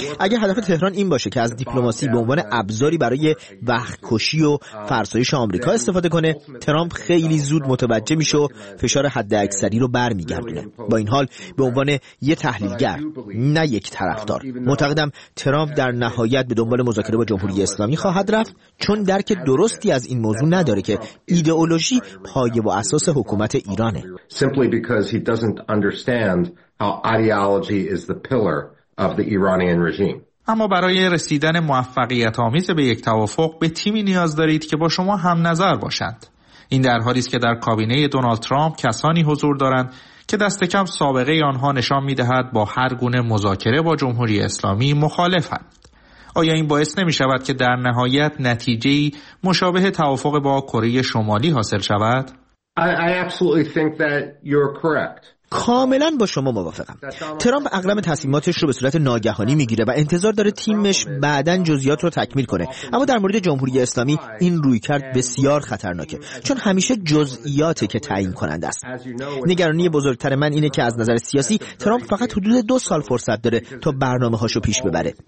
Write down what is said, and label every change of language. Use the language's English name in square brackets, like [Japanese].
[Persian] اگه هدف تهران این باشه که از دیپلماسی به عنوان ابزاری برای وقت‌کشی و فرسایش آمریکا استفاده کنه، ترامپ خیلی زود متوجه میشه و فشار حداکثری رو برمیگردونه. با این حال به عنوان یه تحلیلگر، نه یک طرفدار، معتقدم ترامپ در نهایت به دنبال مذاکره با جمهوری اسلامی خواهد رفت، چون درک درستی از این موضوع نداره که ایدئولوژی پایه و اساس حکومت ایرانه. [English] Simply because he doesn't understand how ideology is the pillar of the Iranian regime. [Persian] اما برای رسیدن موفقیت آمیز به یک توافق به تیمی نیاز دارید که با شما هم نظر باشند. این در حالی است که در کابینه دونالد ترامپ کسانی حضور دارند که دست کم سابقه آنها نشان می‌دهد با هر گونه مذاکره با جمهوری اسلامی مخالفند. آیا این باعث نمی‌شود که در نهایت نتیجه‌ای مشابه توافق با کره شمالی حاصل شود؟ [English] I absolutely think that you're correct. [Persian] کاملا با شما موافقم. ترامپ اغلب تصمیماتش رو به صورت ناگهانی میگیره و انتظار داره تیمش بعداً جزئیات رو تکمیل کنه. اما در مورد جمهوری اسلامی این رویکرد بسیار خطرناکه، چون همیشه جزئیاته که تعیین کننده است. نگرانی بزرگتر من اینه که از نظر سیاسی ترامپ فقط حدود 2 سال فرصت داره تا برنامه‌هاشو پیش ببره.